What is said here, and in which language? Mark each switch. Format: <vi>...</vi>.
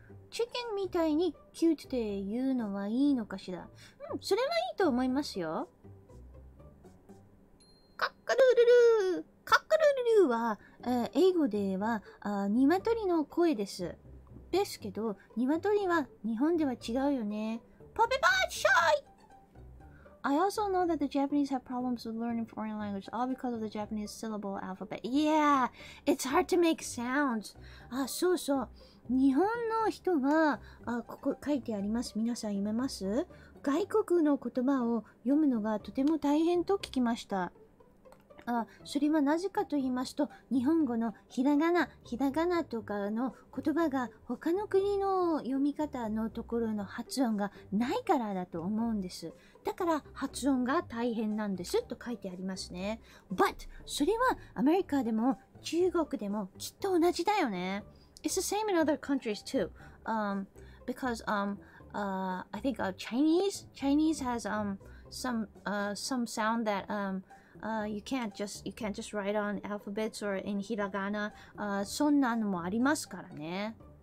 <ja>チキンみたいにキュートって言うのはいいのかしら。うん、それはいいと思いますよ。カッカルルルー。カッカルルルーは、英語では、ニワトリの声です。ですけど、ニワトリは日本では違うよね。ポペパッショイ！</ja> <en>I also know that the Japanese have problems with learning foreign language, all because of the Japanese syllable alphabet. Yeah, it's hard to make sounds. Ah, so so.</en> <ja>日本の人が、ここ書いてあります。皆さん読めます？外国の言葉を読むのがとても大変と聞きました。それはなぜかと言いますと、日本語のひらがなとかの言葉が他の国の読み方のところの発音がないからだと思うんです。だから発音が大変なんですと書いてありますね。 But それはアメリカでも中国でもきっと同じだよね。</ja> <en>it's the same in other countries too. Because I think Chinese has some sound that you can't just write on alphabets or in hiragana.</en> <ja>そんなのもありますからね。</ja>